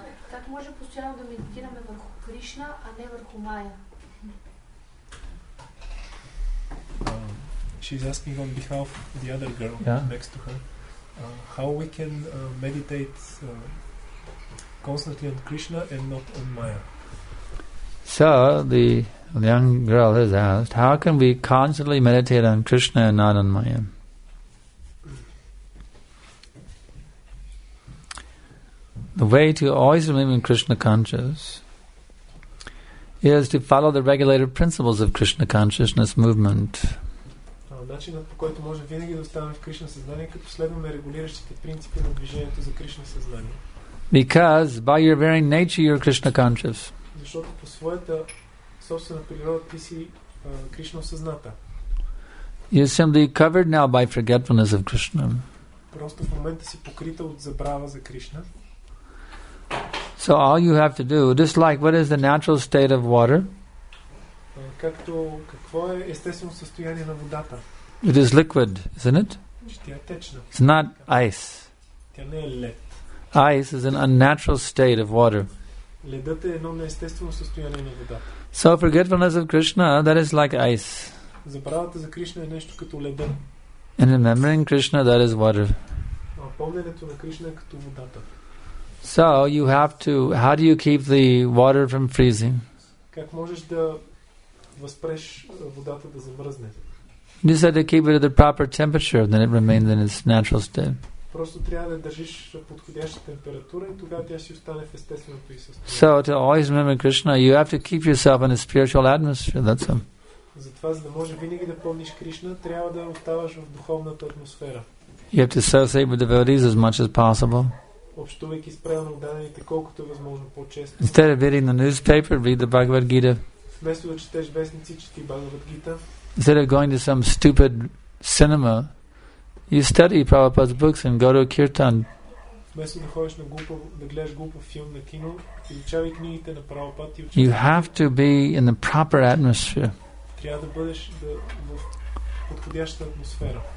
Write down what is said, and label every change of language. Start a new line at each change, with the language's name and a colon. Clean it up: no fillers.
Bulgarian: Как може постоянно да медитираме върху Кришна, а не върху Майя?
English: She's asking on behalf of the other girl next to her. How we can meditate constantly on Krishna and not on Maya? So the young girl has asked, how can we constantly meditate on Krishna and not on Maya? The way to always remain in Krishna consciousness is to follow the regulative principles of Krishna consciousness movement.
Bulgarian: Начинът, по който може винаги да оставаме в Кришна съзнание, като следваме регулиращите принципи на движението за Кришна съзнание.
English: Because by your very nature you're Krishna conscious.
Bulgarian: Защото по своята собствена природа ти си Кришна съзната.
English: You're simply covered now by forgetfulness of Krishna.
Bulgarian: Просто в момента си покрита от забрава за Кришна.
English: So all you have to do, just like what is the natural state of water?
Bulgarian: Както какво е естественото състояние на водата?
English: It is liquid, isn't it?
Bulgarian: Тя е течна.
English: It's not ice.
Bulgarian: Тя не е лед.
English: Ice is an unnatural state of water.
Bulgarian: Ледът е едно неестествено състояние на водата.
English: So forgetfulness of Krishna, that is like ice.
Bulgarian: Забравата за Кришна е нещо като леда.
English: And remembering Krishna, that is water.
Bulgarian: А помненето на Кришна е като водата.
English: So you have to, how do you keep the water from freezing?
Bulgarian: Как можеш да възпреш водата да замръзне?
English: You just have to keep it at the proper temperature, then it remains in its natural state.
Bulgarian: Просто трябва да държиш подходяща температура и тогава тя си остане в естественото състояние.
English: So to always remember Krishna, you have to keep yourself in a spiritual atmosphere, that's all.
Bulgarian: Затова, за да може винаги да помниш Кришна, трябва да оставаш в духовната атмосфера.
English: You have to associate with devotees as much as possible.
Bulgarian: Общувайки с правилно данните, колкото е възможно по-често.
English: Instead of reading the newspaper, read the Bhagavad Gita.
Bulgarian: Вместо да четеш вестници, чети Бхагавад Гита.
English: Instead of going to some stupid cinema, you study Prabhupada's books and go to a kirtan.
Bulgarian: Вместо да ходиш на глупо, да гледаш глупо филм на кино, изучавай книгите на Прабхупад и
English: учи. You have to be in the proper atmosphere.
Bulgarian: Трябва да бъдеш в подходящата атмосфера.